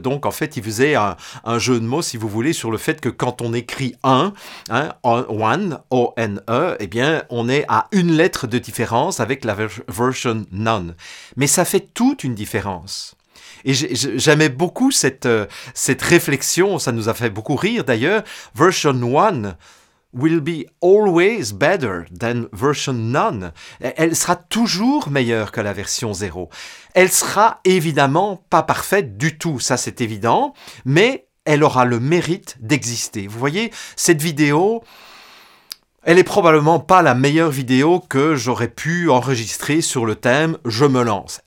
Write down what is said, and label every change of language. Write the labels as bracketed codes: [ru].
[fr] Donc, en fait, il faisait un jeu de mots, si vous voulez, sur le fait que quand on écrit 1, hein, 1, O-N-E, eh bien, on est à une lettre de différence avec la version version none. Mais ça fait toute une différence. Et j'aimais beaucoup cette réflexion, ça nous a fait beaucoup rire d'ailleurs. [en] Version one will be always better than version none. [fr] Elle sera toujours meilleure que la version zéro. Elle sera évidemment pas parfaite du tout, ça c'est évident, mais elle aura le mérite d'exister. Vous voyez, cette vidéo, elle est probablement pas la meilleure vidéo que j'aurais pu enregistrer sur le thème « Je me lance ».